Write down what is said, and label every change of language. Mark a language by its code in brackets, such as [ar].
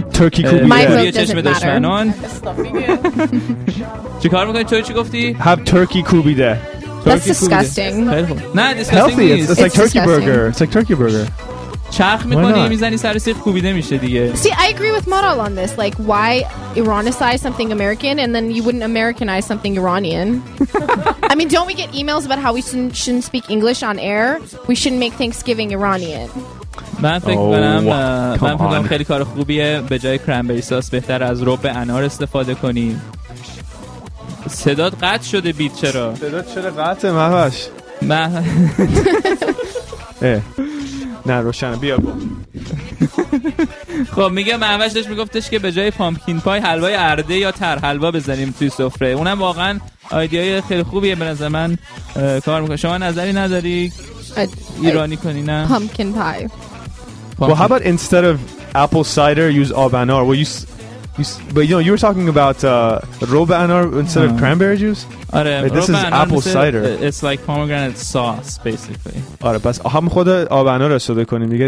[fa] ترکی کوبیه چشم دشمنان. چیکار می‌کنی؟ چی گفتی؟ هاب ترکی کوبیده. [en] That's disgusting. Nah, disgusting. Healthy. It's like turkey burger. It's like turkey burger. [fa] چرخ میکنی میزنی سر سیخ کوبیده میشه دیگه. [en] See, I agree with Maral on this. Like, why Iranicize something American and then you wouldn't Americanize something Iranian? I mean, don't we get emails about how we shouldn't speak English on air? We shouldn't make Thanksgiving Iranian. [fa] من فکر کنم خیلی کار خوبیه. به جای کرنبری ساس بهتر از رب انار استفاده کنیم. صدات قطع شده بیت. چرا صدات چرا قطعه مهوش؟ نه روشنه، بیا با. خب میگه مهوش داشت میگفتش که به جای پامکین پای حلوای ارده یا تر حلوا بزنیم توی سفره. اونم واقعا آیدیای خیلی خوبیه به نظر من. کار میکنه. شما نظری نداری ایرانی کنی؟ نه پامکین پای. [en] Well, how about instead of apple cider use [fa] آب انار؟ [en] Well, you were talking about robe anar instead of cranberry juice. آره، like, this is apple cider. It's like pomegranate sauce, basically. [fa] آره، بس هم خود آب انار استفاده کنیم.